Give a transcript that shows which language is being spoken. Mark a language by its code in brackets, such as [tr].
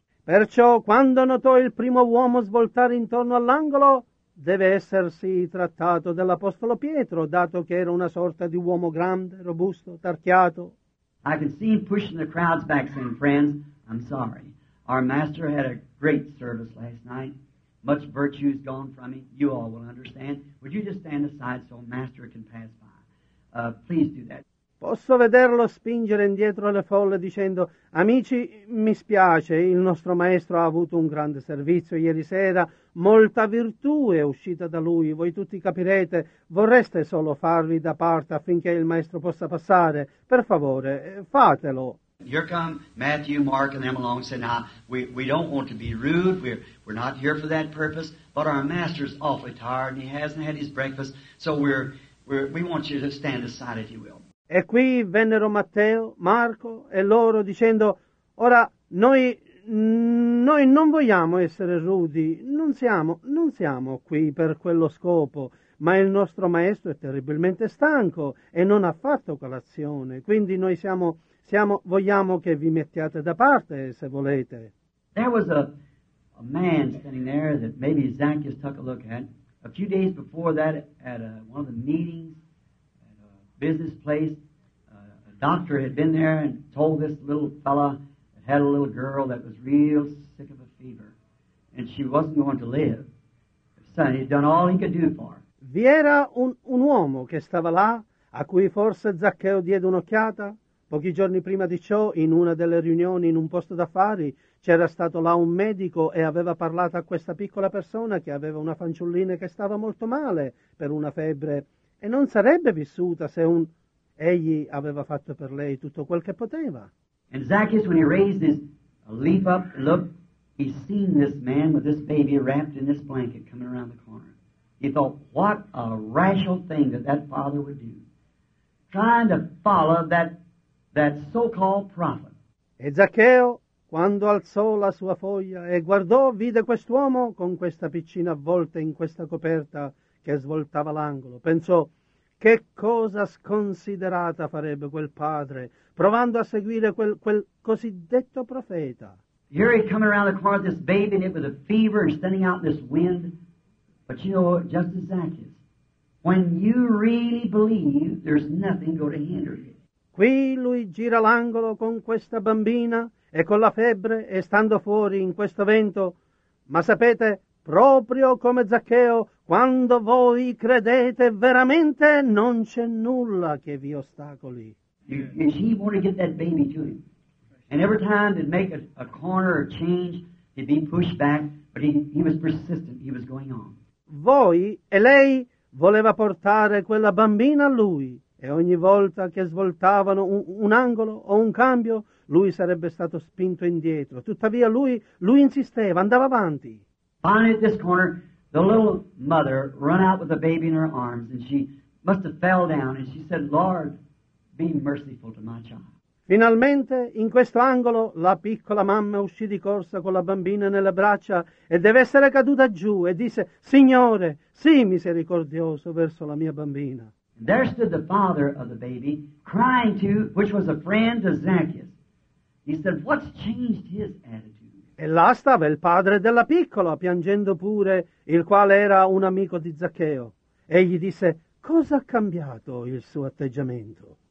[it] Perciò, quando notò il primo uomo svoltare intorno all'angolo, deve essersi trattato dell'apostolo Pietro, dato che era una sorta di uomo grande, robusto, tarchiato. [en] I can see him pushing the crowds back, saying, "Friends, I'm sorry. Our master had a great service last night. Much virtue is gone from him. You all will understand. Would you just stand aside so master can pass by? Please do that." [it] Posso vederlo spingere indietro le folle dicendo: "Amici, mi spiace, il nostro maestro ha avuto un grande servizio ieri sera, molta virtù è uscita da lui, voi tutti capirete, vorreste solo farvi da parte affinché il maestro possa passare? Per favore, fatelo." [en] Here come Matthew, Mark and them along saying, "Now, we don't want to be rude, we're not here for that purpose, but our master's awfully tired and he hasn't had his breakfast, so we want you to stand aside if you will." [it] E qui vennero Matteo, Marco e loro dicendo: "Ora noi non vogliamo essere rudi, non siamo qui per quello scopo, ma il nostro maestro è terribilmente stanco e non ha fatto colazione, quindi noi siamo vogliamo che vi mettiate da parte se volete." [en] There was a man standing there that maybe Zacchaeus took a look at a few days before that at one of the meetings. Business place, a doctor had been there and told this little fella that had a little girl that was real sick of a fever and she wasn't going to live. Son, he'd done all he could do for her. [it] Vi era un uomo che stava là, a cui forse Zaccheo diede un'occhiata. Pochi giorni prima di ciò, in una delle riunioni in un posto d'affari, c'era stato là un medico e aveva parlato a questa piccola persona che aveva una fanciullina che stava molto male per una febbre. E non sarebbe vissuta se egli aveva fatto per lei tutto quel che poteva. [en] And Zacchaeus, when he raised his leap up and looked, he seen this man with this baby wrapped in this blanket coming around the corner. He thought, what a rational thing that father would do, trying to follow that so-called prophet. [it] E Zaccheo, quando alzò la sua foglia e guardò, vide quest'uomo con questa piccina avvolta in questa coperta che svoltava l'angolo, pensò: che cosa sconsiderata farebbe quel padre provando a seguire quel cosiddetto profeta. [en] Here he come around the corner, this baby, and it was a fever and standing out in this wind. But you know, just as Zacchaeus, when you really believe, there's nothing going to hinder you. [it] Qui lui gira l'angolo con questa bambina e con la febbre e stando fuori in questo vento, ma sapete, proprio come Zaccheo, quando voi credete veramente, non c'è nulla che vi ostacoli. [en] And he wanted to get that baby to him. And every time they'd make a corner or change, he'd be pushed back, but he was persistent, he was going on. [it] Voi e lei voleva portare quella bambina a lui, e ogni volta che svoltavano un angolo o un cambio, lui sarebbe stato spinto indietro. Tuttavia lui insisteva, andava avanti. [en] Finally, at this corner, the little mother ran out with the baby in her arms, and she must have fell down, and she said, "Lord, be merciful to my child." [it] Finalmente, in questo angolo, la piccola mamma uscì di corsa con la bambina nelle braccia e deve essere caduta giù e disse: "Signore, sii misericordioso verso la mia bambina." [en] And there stood the father of the baby, crying to, which was a friend of Zacchaeus. He said, "What's changed his attitude?" [it] E là stava il padre della piccola, piangendo pure, il quale era un amico di Zaccheo. Egli disse: "Cosa ha cambiato il suo atteggiamento?"